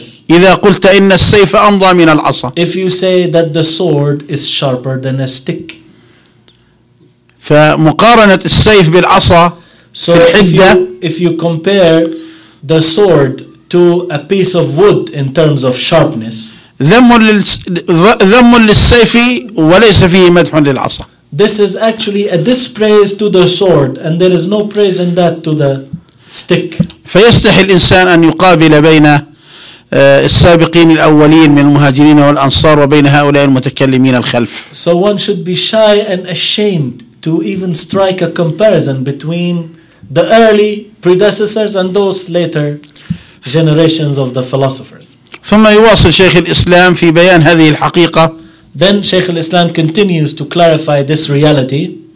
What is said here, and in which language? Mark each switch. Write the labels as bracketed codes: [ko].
[ar] إذا قلت إن السيف أمضى من العصا [en] if you say that the sword is sharper than a stick [ar] فمقارنة السيف بالعصا [en] so [ar] في الحدة [en] if you compare the sword to a piece of wood in terms of sharpness [ar] ذم للسيف وليس فيه مدح للعصا [en] this is actually a dispraise to the sword and there is no praise in that to the stick [ar] فيستحي الإنسان أن يقابل بين السابقين الأولين من المهاجرين والأنصار وبين هؤلاء المتكلمين الخلف [en] so one should be shy and ashamed to even strike a comparison between the early predecessors and those later generations of the philosophers. [ar] ثم يواصل شيخ الإسلام في بيان هذه الحقيقة. [en] Then Sheikh Islam continues to clarify this reality.